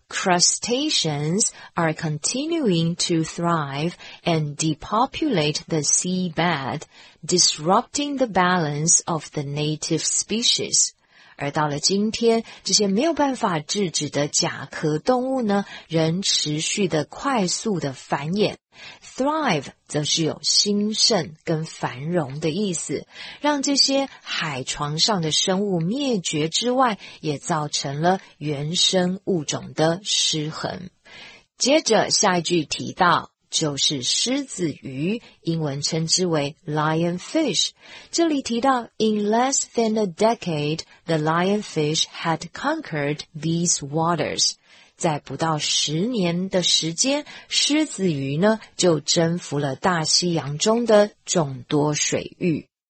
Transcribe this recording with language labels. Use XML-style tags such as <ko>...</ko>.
<en>crustaceans are continuing to thrive and depopulate the seabed, disrupting the balance of the native species.</en> <zh>而到了今天，这些没有办法制止的甲壳动物呢，仍持续的快速的繁衍。 Thrive 则是有兴盛跟繁荣的意思，让这些海床上的生物灭绝之外，也造成了原生物种的失衡。接着下一句提到就是狮子鱼，英文称之为 lionfish。这里提到</zh> <en>In less than a decade, the lionfish had conquered these waters.</en> <zh>在不到十年的时间，狮子鱼呢就征服了大西洋中的众多水域。</zh>